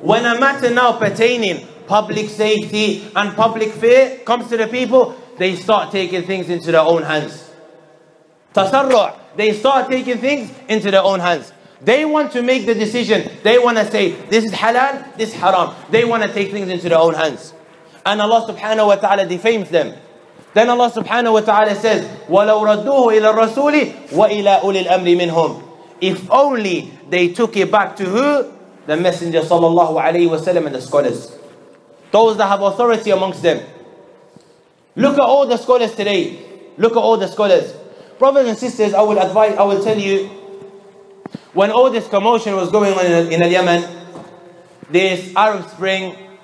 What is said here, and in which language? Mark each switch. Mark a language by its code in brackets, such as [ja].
[en] When a matter now pertaining public safety and public fear comes to the people, they start taking things into their own hands. [ar] تَسَرُّعْ. [en] They start taking things into their own hands. They want to make the decision. They want to say, this is halal, this haram. They want to take things into their own hands. And Allah subhanahu wa ta'ala defames them. Then Allah subhanahu wa ta'ala says, [ar] وَلَوْ رَدُّوهُ إِلَى الرَّسُولِ وَإِلَىٰ أُولِي الْأَمْرِ مِنْهُمْ. [en] If only they took it back to who? The Messenger sallallahu alayhi wa sallam and the scholars. Those that have authority amongst them. Look at all the scholars today. Look at all the scholars. Brothers and sisters, I will tell you, when all this commotion was going on in Yemen, this Arab Spring,